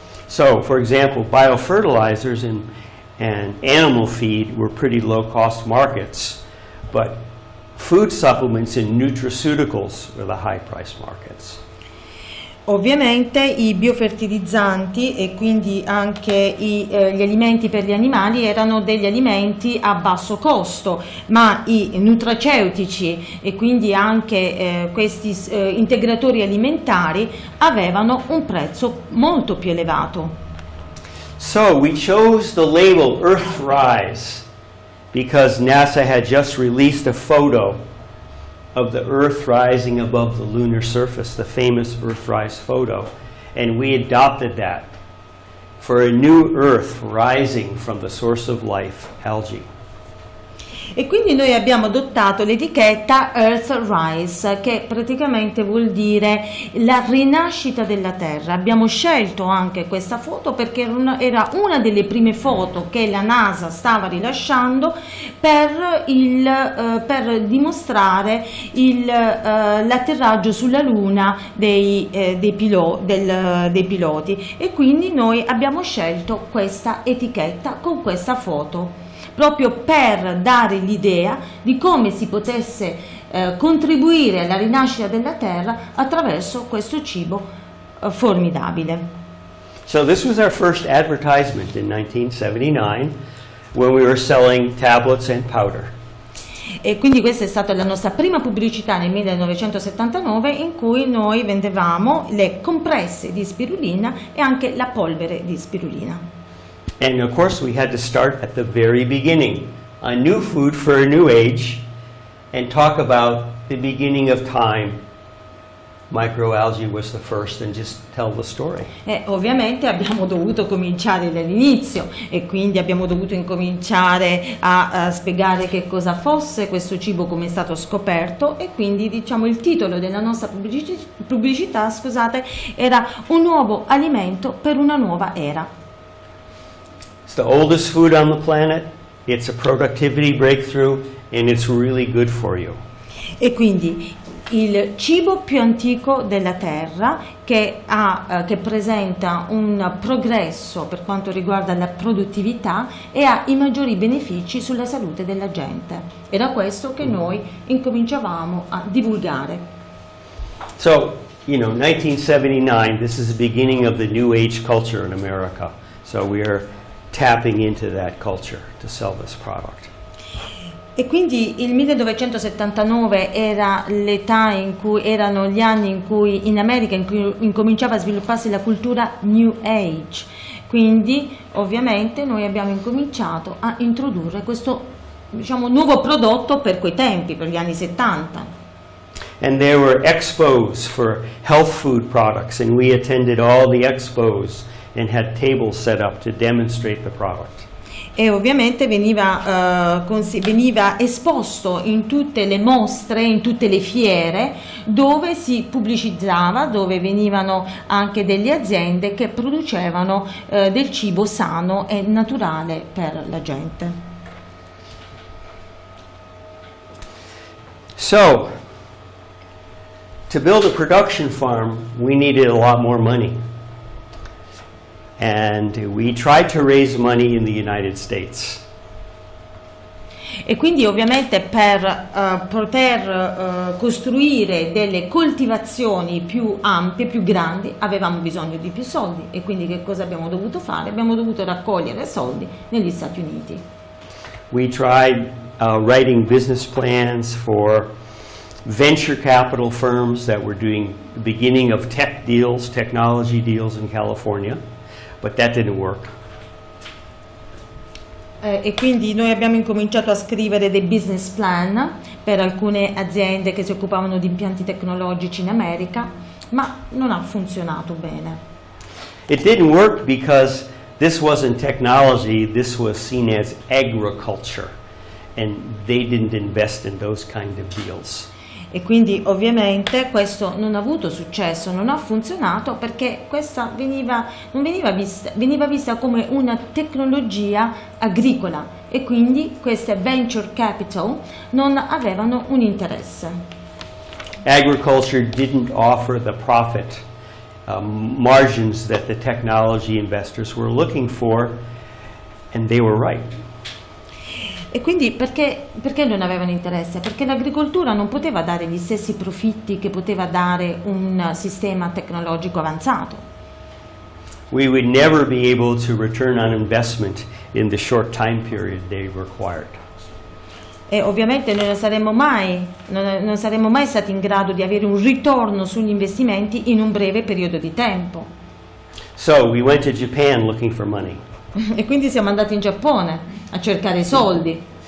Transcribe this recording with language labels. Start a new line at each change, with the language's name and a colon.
English: So, for example, biofertilizers and animal feed were pretty low cost markets, but food supplements and nutraceuticals were the high price markets.
Italian: Ovviamente i biofertilizzanti e quindi anche gli alimenti per gli animali erano degli alimenti a basso costo, ma i nutraceutici e quindi anche questi integratori alimentari avevano un prezzo molto più elevato.
English: So we chose the label Earthrise because NASA had just released a photo of the Earth rising above the lunar surface, the famous Earthrise photo, and we adopted that for a new Earth rising from the source of life, algae.
Italian: E quindi noi abbiamo adottato l'etichetta Earth Rise, che praticamente vuol dire la rinascita della Terra. Abbiamo scelto anche questa foto perché era una delle prime foto che la NASA stava rilasciando per dimostrare l'atterraggio sulla Luna dei piloti. E quindi noi abbiamo scelto questa etichetta con questa foto, proprio per dare l'idea di come si potesse contribuire alla rinascita della Terra attraverso questo cibo formidabile.
English: So this was our first advertisement in 1979 when we were selling tablets and powder.
Italian: E quindi questa è stata la nostra prima pubblicità nel 1979, in cui noi vendevamo le compresse di spirulina e anche la polvere di spirulina.
English: And of course we had to start at the very beginning, a new food for a new age, and talk about the beginning of time. Microalgae was the first, and just tell the story.
Italian: Ovviamente abbiamo dovuto cominciare dall'inizio e quindi abbiamo dovuto incominciare a spiegare che cosa fosse questo cibo, come è stato scoperto, e quindi diciamo il titolo della nostra pubblicità, scusate, era un nuovo alimento per una nuova era.
English: The oldest food on the planet, it's a productivity breakthrough, and it's really good for you.
Italian: E quindi il cibo più antico della Terra, che presenta un progresso per quanto riguarda la produttività e ha i maggiori benefici sulla salute della gente. Era questo che noi incominciavamo a divulgare.
English: So, you know, 1979, this is the beginning of the new age culture in America. So we are tapping into that culture to sell this product.
Italian: E quindi il 1979 era l'età in cui erano gli anni in cui in America incominciava a svilupparsi la cultura New Age. Quindi, ovviamente, noi abbiamo incominciato a introdurre questo, diciamo, nuovo prodotto per quei tempi, per gli anni 70.
English: And there were expos for health food products, and we attended all the expos and had tables set up to demonstrate the product.
Italian: E ovviamente veniva esposto in tutte le mostre, in tutte le fiere, dove si pubblicizzava, dove venivano anche delle aziende che producevano del cibo sano e naturale per la gente.
English: So, to build a production farm, we needed a lot more money. And we tried to raise money in the United States.
Italian: E quindi ovviamente per poter costruire delle coltivazioni più ampie, più grandi, avevamo bisogno di più soldi. E quindi che cosa abbiamo dovuto fare? Abbiamo dovuto raccogliere soldi negli Stati Uniti.
English: We tried writing business plans for venture capital firms that were doing the beginning of tech deals, technology deals in California. But that didn't work.
Italian: E quindi noi abbiamo incominciato a scrivere dei business plan per alcune aziende che si occupavano di impianti tecnologici in America, ma non ha funzionato bene.
English: It didn't work because this wasn't technology, this was seen as agriculture, and they didn't invest in those kind of deals.
Italian: E quindi ovviamente questo non ha avuto successo, non ha funzionato, perché questa veniva vista come una tecnologia agricola, e quindi queste venture capital non avevano un interesse.
English: Agriculture didn't offer the profit margins that the technology investors were looking for, and they were right.
Italian: E quindi perché non avevano interesse? Perché l'agricoltura non poteva dare gli stessi profitti che poteva dare un sistema tecnologico avanzato.
English: We would never be able to return on investment in the short time period they required.
Italian: E ovviamente non saremmo mai stati in grado di avere un ritorno sugli investimenti in un breve periodo di tempo.
English: So we went to Japan looking for money.
Italian: E quindi siamo andati in Giappone a cercare soldi.